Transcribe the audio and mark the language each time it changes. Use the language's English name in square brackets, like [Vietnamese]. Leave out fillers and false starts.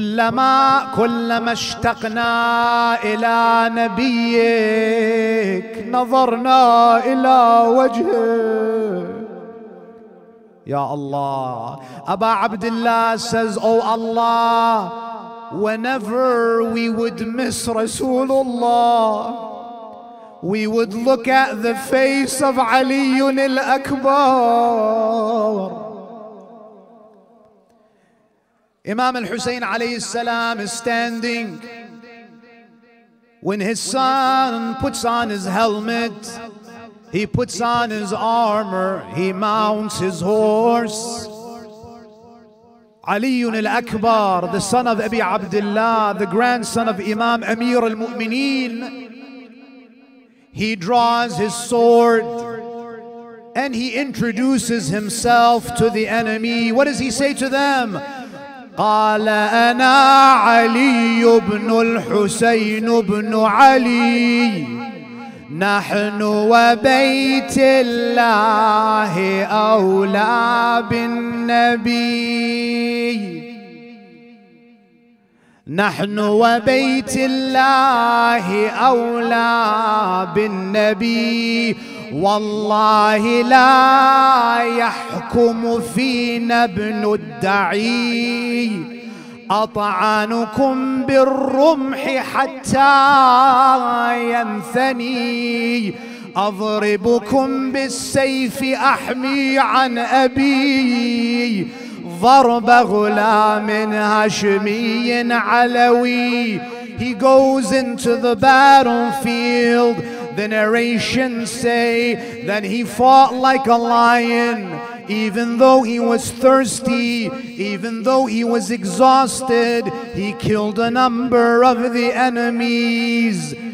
[Arabic] كلما اشتقنا إلى نبيك نظرنا إلى وجهه. يا الله. [English] أبا عبد الله says, Oh Allah, whenever we would miss Rasulullah, we would look at the face of Ali al-Akbar. Imam al-Hussein alayhi salam is standing. When his son puts on his helmet, he puts on his armor, he mounts his horse. Ali ibn al-Akbar, the son of Abi Abdullah, the grandson of Imam Amir al-Mu'mineen, he draws his sword and he introduces himself to the enemy. What does he say to them? [Arabic] قال أنا علي بن الحسين بن علي نحن وبيت الله أولى بالنبي نحن وبيت الله أولى بالنبي والله لا يحكم فينا ابن الدعي أطعنكم بالرمح حتى ينثني أضربكم بالسيف أحمي عن أبي ضرب غلام هاشمي علوي. [English] He goes into the battlefield. The narrations say that he fought like a lion, even though he was thirsty, even though he was exhausted, he killed a number of the enemies.